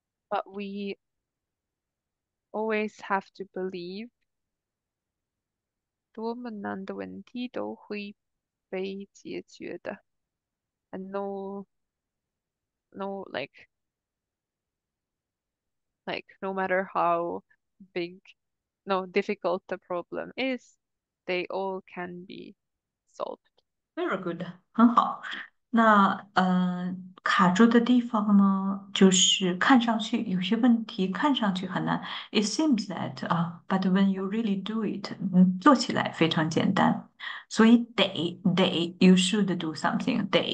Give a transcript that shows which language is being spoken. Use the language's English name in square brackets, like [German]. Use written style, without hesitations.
[English] but we always have to believe， [Chinese] 多么难的问题都会被解决的。 [English] And no, like, no matter how big, no difficult the problem is, they all can be solved. Very good， [Chinese] 很好。那卡住的地方呢，就是看上去有些问题看上去很难。 [English] It seems that but when you really do it， [Chinese] 做起来非常简单。所以 [English] you should do something，